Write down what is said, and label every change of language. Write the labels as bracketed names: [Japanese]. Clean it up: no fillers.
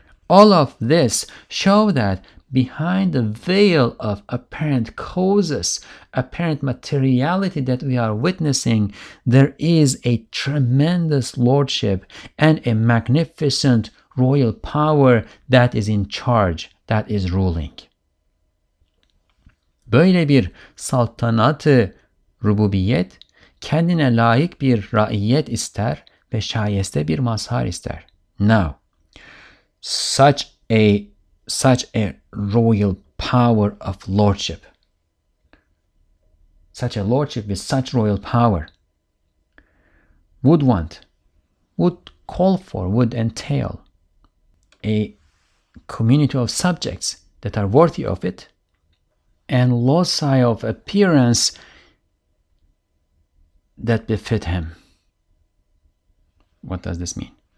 [English] All of this show that behind the veil of apparent causes, apparent materiality that we are witnessing, there is a tremendous lordship and a magnificent royal power that is in charge, that is ruling. [Turkish] Böyle bir saltanat-ı rububiyet kendine layık bir raiyet ister ve şayeste bir mazhar ister. [English] Now, such a royal power of lordship. Such a lordship with such royal power would entail a community of subjects that are worthy of it, and loci of appearance that befit him. What does this mean?